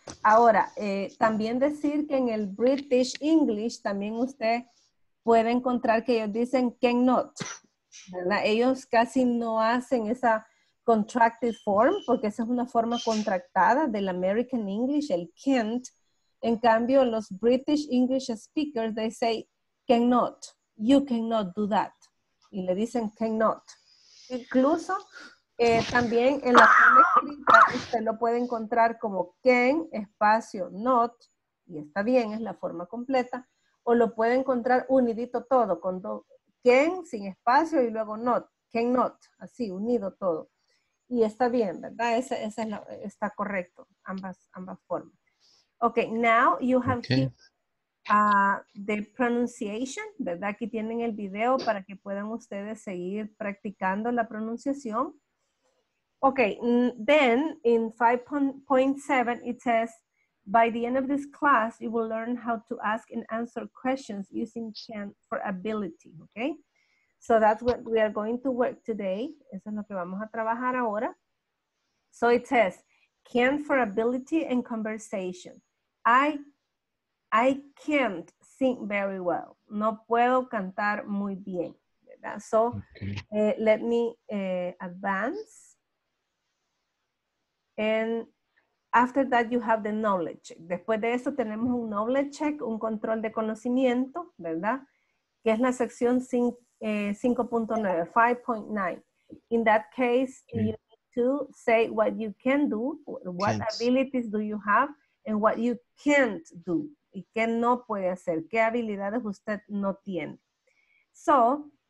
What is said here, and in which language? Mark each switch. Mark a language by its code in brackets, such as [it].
[es] Ahora, también decir que en el British English también usted puede encontrar que ellos dicen cannot, ¿verdad? Ellos casi no hacen esa contracted form porque esa es una forma contractada del American English, el can't. En cambio, los [en] British English speakers, they say, cannot, you cannot do that. [es] Y le dicen, cannot. Incluso, también en la forma escrita, usted lo puede encontrar como can, espacio, not, y está bien, es la forma completa, o lo puede encontrar unidito todo, con can, sin espacio, y luego not, cannot, así, unido todo. Y está bien, ¿verdad? Esa es está correcto, ambas formas. [en] Okay, now you have the pronunciation, ¿verdad? [es] Aquí tienen el video para que puedan ustedes seguir practicando la pronunciación. [en] Okay, then in 5.7 it says, by the end of this class, you will learn how to ask and answer questions using can for ability, okay? So that's what we are going to work today. [es] Eso es lo que vamos a trabajar ahora. [en] So it says, can for ability and conversation. I can't sing very well. [es] No puedo cantar muy bien, ¿verdad? [en] So, let me advance. And after that, you have the knowledge check. [es] Después de eso, tenemos un knowledge check, un control de conocimiento, ¿verdad? Que es la sección 5.9, 5.9. [en] In that case, you need to say what you can do, what abilities do you have, and what you can't do, [es] y qué no puede hacer, qué habilidades usted no tiene. [en] So,